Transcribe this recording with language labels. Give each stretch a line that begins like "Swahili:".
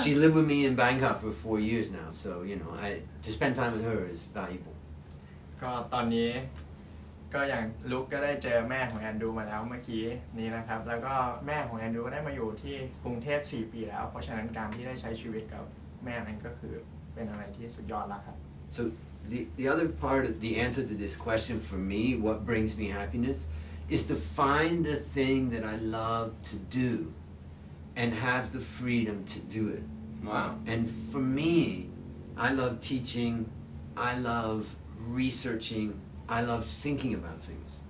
English: She lived with me in Bangkok for 4 years now, so you know, to spend time with her is valuable.
Thai: ก็ตอนนี้ก็อย่างลุคก็ได้เจอแม่ของแอนดูมาแล้วเมื่อกี้นี้นะครับแล้วก็แม่ของแอนดูก็ได้มาอยู่ที่กรุงเทพ4ปีแล้วเพราะฉะนั้นการที่ได้ใช้ชีวิตกับแม่นั้นก็คือเป็นอะไรที่สุดยอดแล้วครับ
English: So the other part of the answer to this question for me, what brings me happiness? Is to find the thing that I love to do, and have the freedom to do it. Wow! And for me, I love teaching, I love researching, I love thinking about things.